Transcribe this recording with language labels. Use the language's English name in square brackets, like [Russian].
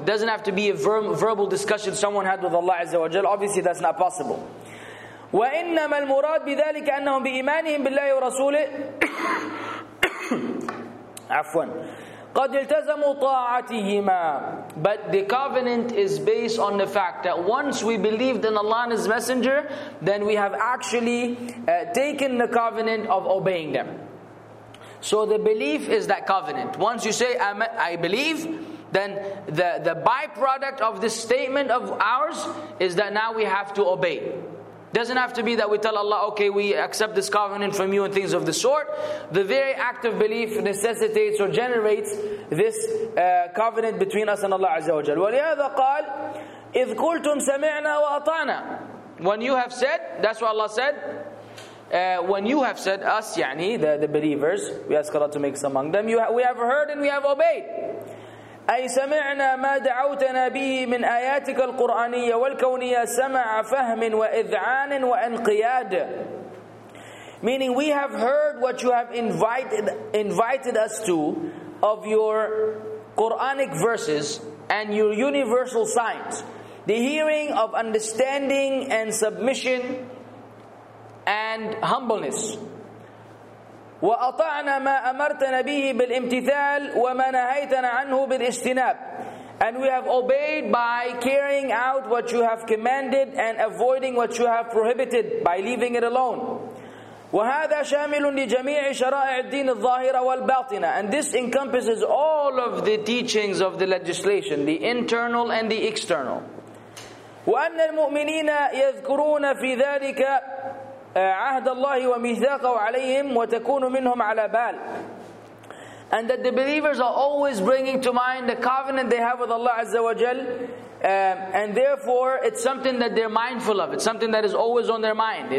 [English] It doesn't have to be a verbal discussion someone had with Allah Azza wa Jalla. Obviously, that's not possible. [Arabic] وإنما المراد بذلك أنهم بإيمانهم بالله ورسوله عفوا. قَدْ إِلْتَزَمُوا طَاعَتِهِمَا. [English] But the covenant is based on the fact that once we believed in Allah and His Messenger, then we have actually taken the covenant of obeying them. So the belief is that covenant. Once you say, I believe, then the byproduct of this statement of ours is that now we have to obey. Doesn't have to be that we tell Allah, okay, we accept this covenant from you and things of the sort. The very act of belief necessitates or generates this covenant between us and Allah Azza wa Jalla. [Arabic] وَلِهَذَا قَالْ إِذْ قُلْتُمْ سَمِعْنَا وَأَطَعْنَا. [English] When you have said, that's what Allah said. When you have said, us, يعني, the believers, we ask Allah to make us among them. We have heard and we have obeyed. [Arabic] أي سمعنا ما دعوتنا به من آياتك القرآنية والكونية سمع فهم وإذعان وانقياد. [English] Meaning we have heard what you have invited us to of your Quranic verses and your universal signs. The hearing of understanding and submission and humbleness. [Arabic] وأطعنا ما أمرتنا به بالامتثال وما نهيتنا عنه بالاجتناب. [English] And we have obeyed by carrying out what you have commanded and avoiding what you have prohibited by leaving it alone. [Arabic] وهذا شامل لجميع شرائع الدين الظاهرة والباطنة. [English] And this encompasses all of the teachings of the legislation, the internal and the external. [Arabic] وأن المؤمنين يذكرون في ذلك عهد الله وميثاقه عليهم وتكون منهم على بال. [English] And that the believers are always bringing to mind the covenant they have with Allah Azza wa Jal, and therefore it's something that they're mindful of. It's something that is always on their mind.